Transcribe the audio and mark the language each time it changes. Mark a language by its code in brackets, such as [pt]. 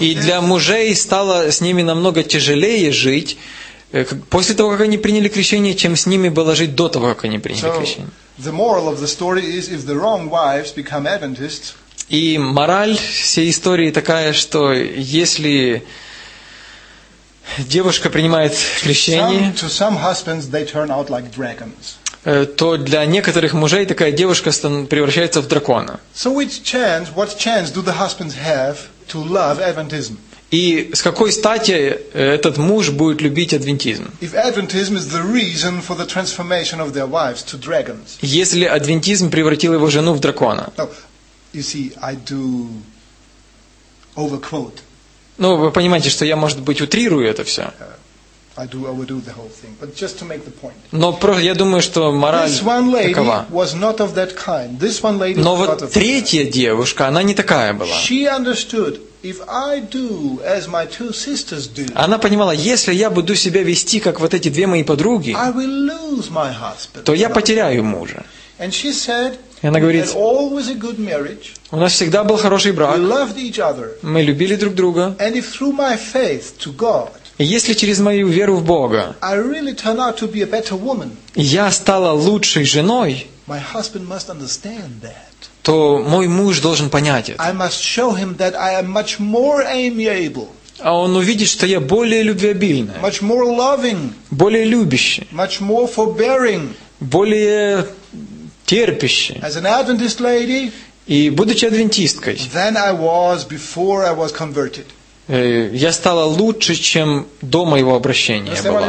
[ru] И для мужей стало с ними намного тяжелее жить после того, как они приняли крещение, чем с ними было жить до того, как они приняли крещение. [en] So the moral of the story is if the wrong wives become Adventists. [ru] И мораль всей истории такая, что если девушка принимает крещение, то для некоторых мужей такая девушка превращается в дракона. [en] So what chance do the husbands have to love Adventism? [ru] И с какой стати этот муж будет любить адвентизм? [en] If Adventism is the reason for the transformation of their wives to dragons. [ru] Если адвентизм превратил его жену в дракона. [en] You see, I do overquote. [ru] Ну, вы понимаете, что я, может быть, утрирую это все. [en] I do overdo the whole thing, but just to make the point. [ru] Но просто я думаю, что мораль такова. [en] This one lady was not of that kind. This one lady. [ru] Но вот третья девушка, она не такая была. [en] She understood if I do as my 2 sisters do. [ru] Она понимала, если я буду себя вести как вот эти две мои подруги, [en] I will lose my husband. [ru] То я потеряю мужа. [en] And she said. [ru] И она говорит, [en] always a good marriage. [ru] У нас всегда был хороший брак. [en] We loved each other. [ru] Мы любили друг друга. [en] And if through my faith to God, [ru] и если через мою веру в Бога, [en] I really turn out to be a better woman, [ru] я стала лучшей женой, [en] my husband must understand that. [ru] То мой муж должен понять это. [en] I must show him that I am much more amiable. [ru] А он увидит, что я более любвеобильная. [en] Much more loving. [ru] Более любящая. [en] Much more forbearing. [ru] Более терпище. [en] As an Adventist lady, [ru] и будучи адвентисткой, [en] then I was before I was converted. [ru] Я стала лучше, чем до моего обращения была.